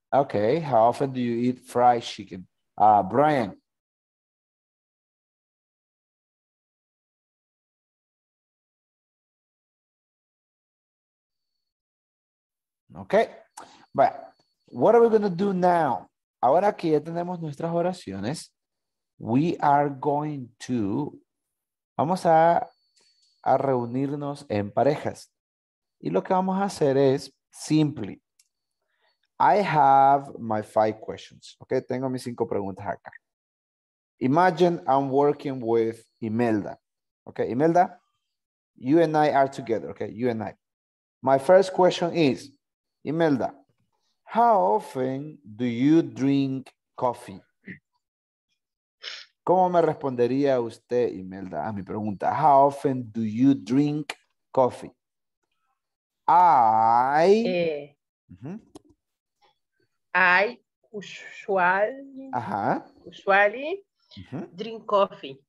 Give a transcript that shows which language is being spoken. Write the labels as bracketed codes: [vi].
[en] Okay, how often do you eat fried chicken? Brian. Okay, but what are we going to do now? [es] Ahora que ya tenemos nuestras oraciones, vamos a reunirnos en parejas. Y lo que vamos a hacer es, [en] simply, I have my 5 questions. [es] Okay, tengo mis 5 preguntas acá. [en] Imagine I'm working with Imelda. Okay, Imelda, you and I are together. Okay, you and I. My first question is, Imelda, how often do you drink coffee? [es] ¿Cómo me respondería usted, Imelda, a mi pregunta? [en] How often do you drink coffee? I usually drink coffee.